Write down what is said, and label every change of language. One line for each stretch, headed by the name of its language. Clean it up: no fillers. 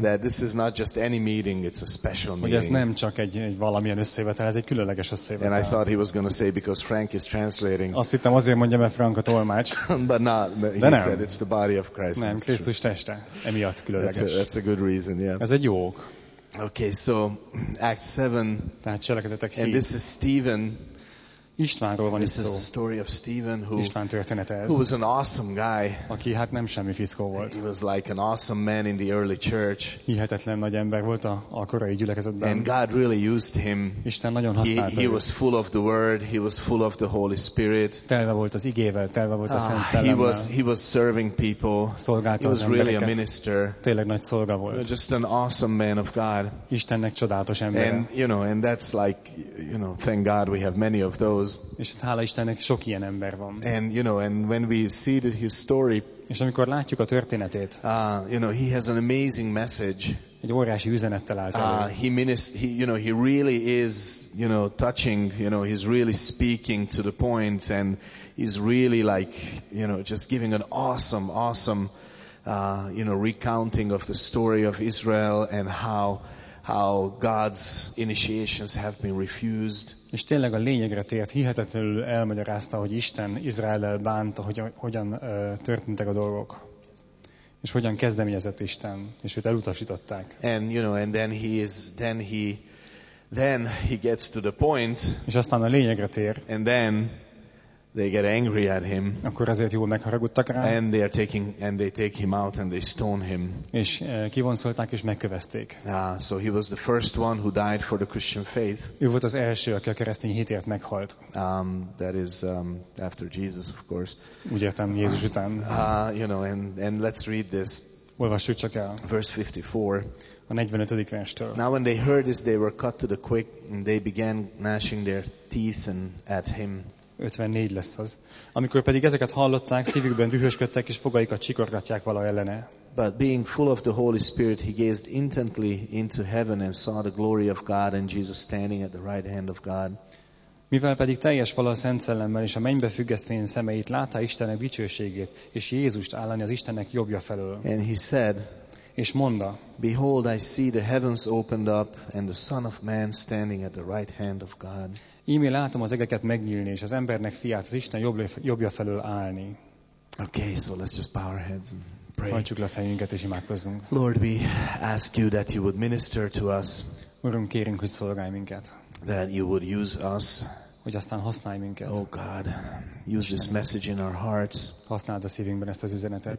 English: That this is not just any meeting, it's a special meeting.
Hungarian: Ez nem csak egy valamilyen összevetel, ez egy különleges összevetel.
English: And I thought he was going to say because Frank is translating.
Hungarian: Azt hittem azért mondja, mert Frank a tolmács.
English: But not.
Hungarian: De
English: he
Hungarian: nem.
English: Said it's the body of Christ.
Hungarian: Nem, Krisztus teste. Emiatt különleges.
English: That's a good reason, yeah.
Hungarian: Ez egy jó ok.
English: Okay, so Acts 7.
Hungarian: Tehát Cselekedetek 7.
English: And this is Stephen.
Hungarian: Istvánról van
English: this
Hungarian: itt szó.
English: This is the story of Stephen who,
Hungarian: István története ez,
English: who was an awesome guy.
Hungarian: Aki hát nem semmi fickó volt.
English: He was like an awesome man in the early church.
Hungarian: Hihetetlen nagy ember volt a korai gyülekezetben.
English: And God really used him.
Hungarian: Isten nagyon használta.
English: He was full of the word, he was full of the Holy Spirit.
Hungarian: Telve volt az igével, telve volt a Szent Szellemmel.
English: He was serving people.
Hungarian: Szolgálta az embereket.
English: Really a minister.
Hungarian: Tényleg nagy szolga volt.
English: Just an awesome man of God.
Hungarian: Istennek csodálatos embere.
English: And you know, and that's like, you know, thank God we have many of those.
Hungarian: És hála Istennek sok ilyen ember van.
English: And you know, and when we see his story,
Hungarian: és amikor látjuk a történetét,
English: you know, he has an amazing message.
Hungarian: Egy óriási üzenettel állt elő.
English: He really is, you know, touching, you know, he's really speaking to the point, and he's really like, you know, just giving an awesome, awesome, you know, recounting of the story of Israel and how God's initiations have been refused.
Hungarian: És tényleg a lényegre tért, hihetetlenül elmagyarázta, hogy Isten Izraellel bánt, hogy hogyan történtek a dolgok. És hogyan kezdeményezett Isten, és őt elutasították.
English: And you know, and then he gets to the point.
Hungarian: És aztán a lényegre tér.
English: And then they get angry at him.
Hungarian: Akkor azért jól megharagudtak rá.
English: And they are taking and they take him out and they stone him.
Hungarian: És kivonszolták és megkövezték.
English: So he was the first one who died for the Christian faith.
Hungarian: Ő volt az első, aki a keresztény hitért meghalt.
English: That is after Jesus, of course.
Hungarian: Úgy értem, Jézus után.
English: You know, and let's read this.
Hungarian: Olvassuk csak el.
English: Verse 54.
Hungarian: A 45. verstől.
English: Now when they heard this, they were cut to the quick, and they began gnashing their teeth and at him.
Hungarian: 54 lesz az. Amikor pedig ezeket hallották, szívükben dühösködtek, és fogaikat csikorgatják vala ellene.
English: But being full of the Holy Spirit, he gazed intently into heaven and saw the glory of God and Jesus standing at the right hand of God.
Hungarian: Mivel pedig teljes vala a Szent Szellemmel és a mennybe függesztvén szemeit, látta Istennek dicsőségét és Jézust állani az Istennek jobbja felől.
English: And he said,
Hungarian: és mondta,
English: behold, I see the heavens opened up and the Son of Man standing at the right hand of God.
Hungarian: Ímé látom az egeket megnyílni, és az embernek fiát, az Isten jobbja felől állni.
English: Okay, so let's just bow our heads and pray.
Hungarian: Hajtsuk le fejünket és imádkozzunk.
English: Lord, we ask you that you would minister to us.
Hungarian: Urunk, kérünk, hogy szolgálj minket.
English: That you would use us.
Hungarian: Hogy aztán használj minket.
English: Oh God, use this message in our hearts.
Hungarian: Használd a szívünkben ezt az üzenetet.